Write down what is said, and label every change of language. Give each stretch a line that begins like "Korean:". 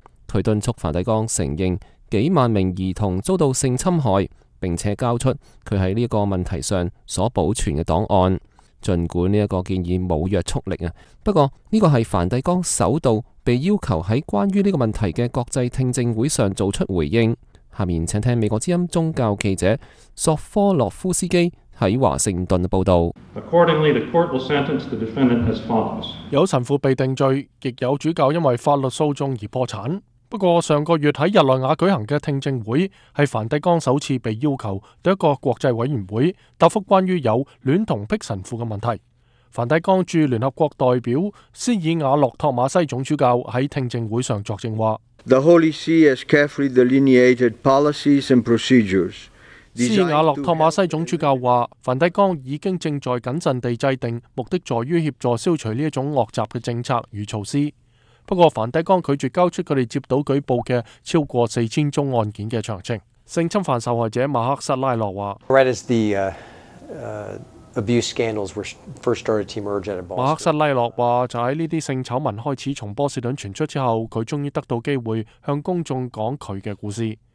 Chinese: 他敦促梵蒂冈承认几万名儿童遭到性侵害，并且交出他在这个问题上所保存的档案。尽管这个建议无约束力，不过这个是梵蒂冈首度被要求在关于这个问题的国际听证会上做出回应。下面请听美国之音宗教记者索科洛夫斯基在华盛顿报道。
English: Accordingly, the court will sentence the defendant as follows.
Chinese: 有神父被定罪，亦有主教因为法律诉讼而破产。不过上个月在日内瓦举行的听证会是梵蒂冈首次被要求对一个国际委员会答复关于有恋童癖神父的问题。梵蒂冈驻联合国代表斯尔瓦洛托马西总主教在听证会上作证说，
English: The Holy See has carefully delineated policies and procedures.
Chinese: 斯瓦洛托马西总主教说，梵蒂冈已经正在谨慎地制定目的在于协助消除这种恶习的政策与措施。不过梵蒂冈拒绝交出他们接到举报的超过4000宗案件的详情。性侵犯受害者马克·萨拉洛说，马克·萨拉洛说，就在这些性丑闻开始从波士顿传出之后，他终于得到机会向公众讲他的故事。